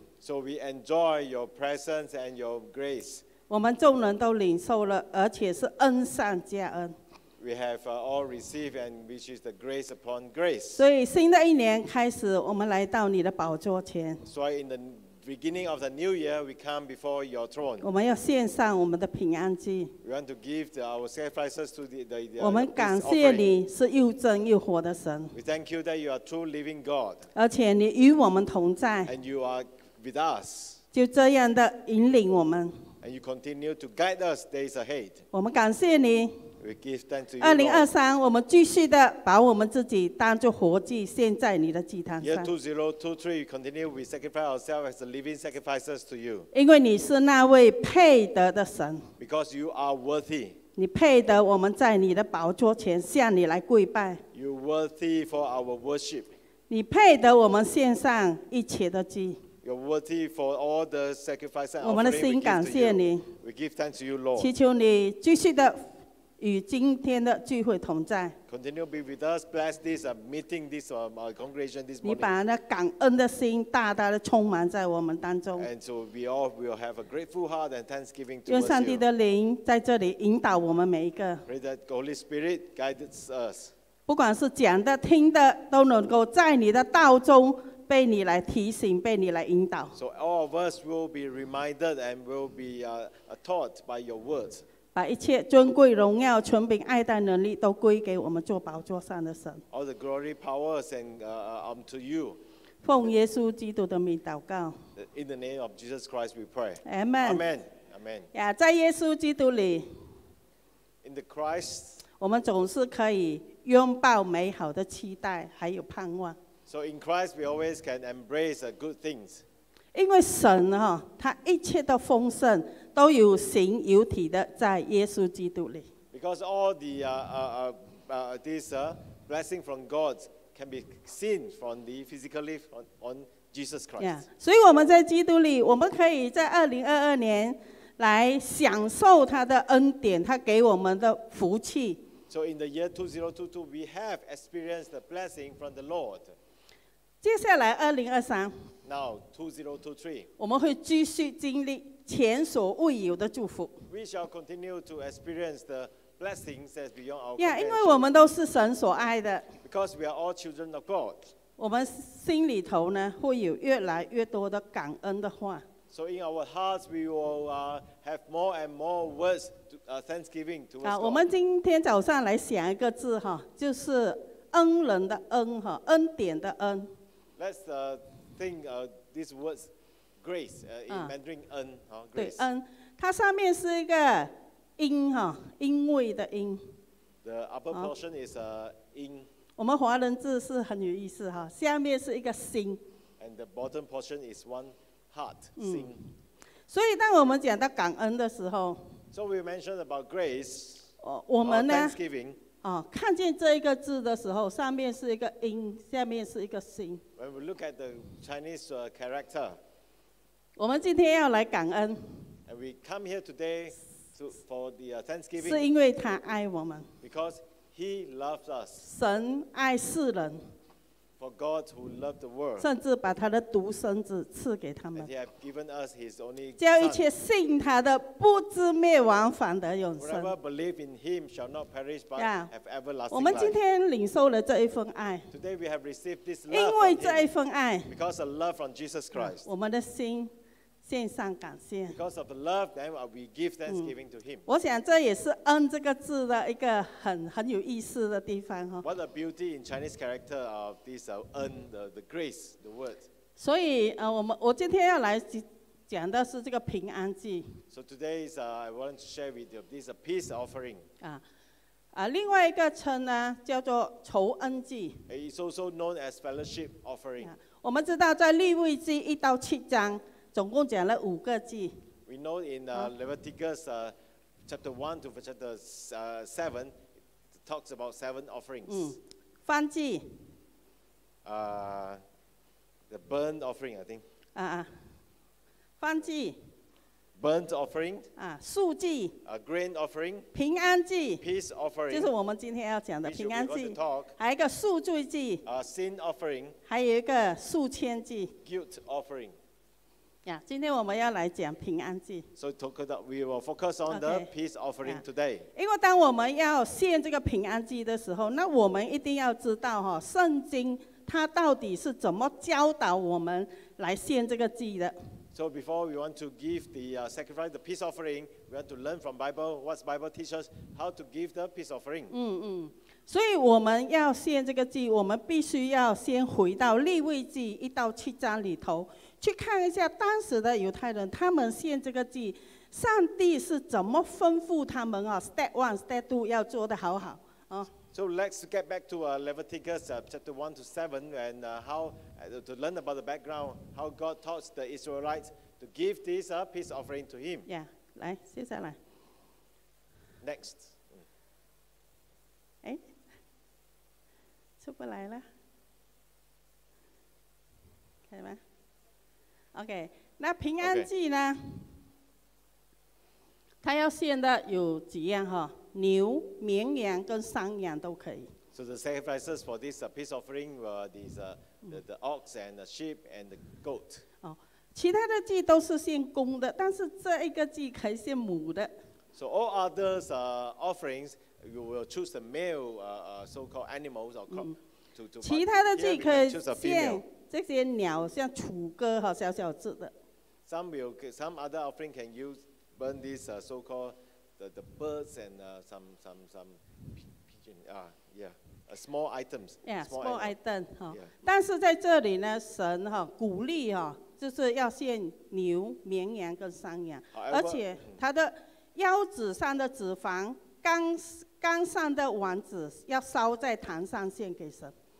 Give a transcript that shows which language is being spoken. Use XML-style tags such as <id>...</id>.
<en>So we enjoy your presence and your grace.</en> <zh>我们众人都领受了，而且是恩上加恩。</zh> <en>We have all received, and which is the grace upon grace.</en> <zh>所以新的一年开始，我们来到你的宝座前。</zh> <en>So in the beginning of the new year, we come before your throne.</en> <zh>我们要献上我们的平安祭。</zh> <en>We want to give our sacrifices to the offering.</en> <zh>我们感谢你是又真又活的神。</zh> <en>We thank you that you are true living God.</en> <zh>而且你与我们同在。</zh> <en>And you are with us.</en> <zh>就这样的引领我们。</zh> <en>And you continue to guide us days ahead.</en> <zh>我们感谢你。</zh> <en>We give thanks to you, Lord.</en> <zh>2023, 我们继续的把我们自己当作活祭献在你的祭坛上。</zh> <en>Year 2023, we continue, we sacrifice ourselves as the living sacrifices to you.</en> <zh>因为你是那位配得的神。</zh> <en>Because you are worthy.</en> <zh>你配得我们在你的宝座前向你来跪拜。</zh> <en>You're worthy for our worship.</en> <zh>你配得我们献上一切的祭。</zh> <en>You're worthy for all the sacrifices and offering we give to We give thanks to you, Lord.</en> <zh>祈求你继续的与今天的聚会同在。</zh> <en>Continue be with us, bless this meeting, this congregation this morning.</en> <zh>你把那感恩的心大大的充满在我们当中。</zh> <en>And so we all will have a grateful heart and thanksgiving to you.</en> <zh>愿上帝的灵在这里引导我们每一个。</zh> <en>Pray that Holy Spirit guides us.</en> <zh>不管是讲的、听的，都能够在你的道中被你来提醒、被你来引导。</zh> <en>So all of us will be reminded and will be taught by your words.</en> <zh>把一切尊贵、荣耀、权柄、爱戴、能力都归给我们坐宝座上的神。</zh> <en>All the glory, powers, and unto you.</en> <zh>奉耶稣基督的名祷告。</zh> <en>In the name of Jesus Christ, we pray. Amen. Amen. Amen.</en> <zh>在耶稣基督里。</zh> <en>In the Christ.</en> <zh>我们总是可以拥抱美好的期待，还有盼望。</zh> <en>So in Christ, we always can embrace the good things.</en> <zh>因为神哈，他一切的丰盛。都有形有体的在耶稣基督里。</zh> <en>Because all the this blessing from God can be seen from the physically on Jesus Christ. Yeah.</en> <zh>所以我们在基督里，我们可以在2022年来享受他的恩典，他给我们的福气。</zh> <en>So in the year 2022, we have experienced the blessing from the Lord.</en> <zh>接下来2023。</zh> <en>Now 2023.</en> <zh>我们会继续经历。前所未有的祝福。</zh> <en>We shall continue to experience the blessings that's beyond our comprehension.</en> <zh>Yeah, 因为我们都是神所爱的。</zh> <en>Because we are all children of God.</en> <zh>我们心里头呢会有越来越多的感恩的话。</zh> <en>So in our hearts, we will have more and more words to thanksgiving to God.</en> <zh>我们今天早上来想一个字哈，就是恩人的恩哈，恩典的恩。</zh> <en>Let's think these words. Grace, in Mandarin, N, grace.</en> <zh>对 ，N， 它上面是一个音哈，因为的因。</zh> <en>The upper portion is a 音。</en> <zh>我们华人字是很有意思哈，下面是一个心。</zh> <en>And the bottom portion is one heart, 心。</en> <zh>所以当我们讲到感恩的时候</zh> <en>，So we mentioned about grace.</en> <zh>我们呢</zh> <en>？Thanksgiving.</en> <zh>看见这一个字的时候，上面是一个音，下面是一个心。</zh> <en>When we look at the Chinese character.</en> <zh>我们今天要来感恩。</zh> <en>And we come here today to for the Thanksgiving.</en> <zh>是因为他爱我们。</zh> <en>Because He loves us.</en> <zh>神爱世人。</zh> <en>For God who loved the world.</en> <zh>甚至把他的独生子赐给他们。</zh> <en>And He has given us His only Son.</en> <zh>叫一切信他的不至灭亡，反得永生。</zh> <en>Whoever believes in Him shall not perish, but have everlasting life.</en> <zh>我们今天领受了这一份爱。</zh> <en>Today we have received this love.</en> <zh>因为这一份爱。</zh> <en>Because of love from Jesus Christ.</en> <zh>我们的心。献上感谢。</zh> <en>Because of the love, then we give thanksgiving to Him.</en> <zh>我想这也是“恩”这个字的一个很有意思的地方哈。</zh> <en>What a beauty in Chinese character of this "恩" the grace, the word.</en> <zh>所以我今天要来讲的是这个平安祭。</zh> <en>So today is I want to share with you this peace offering.</en> <zh>另外一个称呢叫做仇恩祭。</zh> <en>It's also known as fellowship offering.</en> <zh>我们知道在利未记一到七章。总共讲了五个祭。</zh> <en>We know in Leviticus chapter 1 to chapter 7, it talks about seven offerings.</en> <zh>燔祭。</zh> <en>The burnt offering, I think.</en> <zh>燔祭。</zh> <en>Burnt offering.</en> <zh>素祭。</zh> <en>A grain offering.</en> <zh>平安祭。</zh> <en>Peace offering.</en> <zh>就是我们今天要讲的平安祭。还有一个赎罪祭。</zh> <en>Sin offering.</en> <zh>还有一个赎愆祭。</zh> <en>Guilt offering.</en> <zh>今天我们要来讲平安祭。</zh> <en>So we will focus on the peace offering today.</en> <zh>因为当我们要献这个平安祭的时候，那我们一定要知道哈，圣经它到底是怎么教导我们来献这个祭的。</zh> <en>So before we want to give the sacrifice, the peace offering, we want to learn from Bible. What's Bible teach us how to give the peace offering?</en> <zh>所以我们要献这个祭，我们必须要先回到利未记一到七章里头。去看一下当时的犹太人，他们献这个祭，上帝是怎么吩咐他们啊 ？</zh> <en>Step one, step two</en> <zh>要做得好好啊。</zh> <en>So let's get back to Leviticus chapter 1 to 7 and how to learn about the background, how God taught the Israelites to give this peace offering to Him.</en> <zh>Yeah, 来，接下来。</zh> <en>Next.</en> <zh>出不来了，看见吗？ OK， 那平安祭呢？</zh> <en>Okay.</en> <zh>它要献的有几样哈？牛、绵羊跟山羊都可以。</zh> <en>So the sacrifices for this peace offering were these the ox and the sheep and the goat.</en> <zh>其他的祭都是献公的，但是这一个祭可以献母的。</zh> <en>So all others offerings you will choose the male so-called animals or crop to</en> <zh>其他的祭可以献。这些鸟像楚歌哈，小小只的。</zh> <en>Some other offering can use burn these so-called the birds and some pigeon small items. Small items.</en> <zh>但是在这里呢，神哈鼓励哈，就是要献牛、绵羊跟山羊，</zh> <en>However,</en> <zh>而且它的腰子上的脂肪、肝上的丸子要烧在坛上献给神。</zh>